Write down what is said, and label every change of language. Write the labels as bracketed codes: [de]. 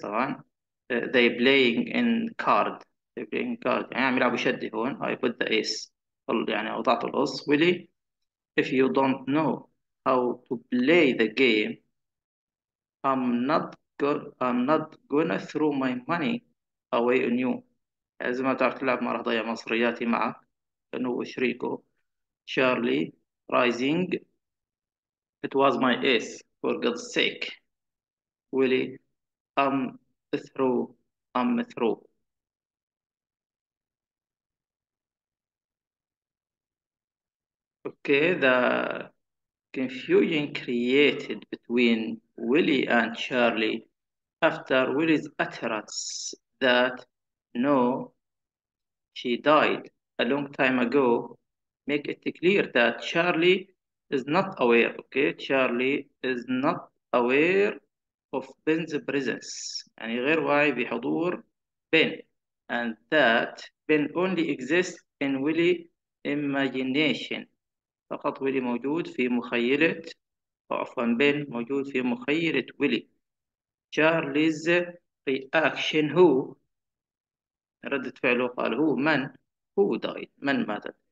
[ar] طبعا [en] they playing in card. They playing card. [ar] يعني عم يلعبوا شد هون. [en] I put the ace. [ar] يعني وضعت الأص. [en] Willie, "If you don't know how to play the game, I'm not gonna throw my money away on you." [ar] لازم ما تعرف تلعب، ما راح أضيع مصرياتي معك لأنه هو شريكه. [en] Charlie rising, "It was my ace, for God's sake." Willie, I'm through. Okay, the confusion created between Willie and Charlie after Willie's utterance that, "No, she died a long time ago," make it clear that Charlie is not aware, okay? Charlie is not aware of Ben's presence. [ar] يعني غير واعي بحضور Ben. [en] And that Ben only exists in Willie's imagination. [ar] فقط ويلي موجود في مخيلة، عفوا بن موجود في مخيلة ويلي. [en] Charlie's reaction [ar] هو ردة فعله، قال هو من هو died، من مات.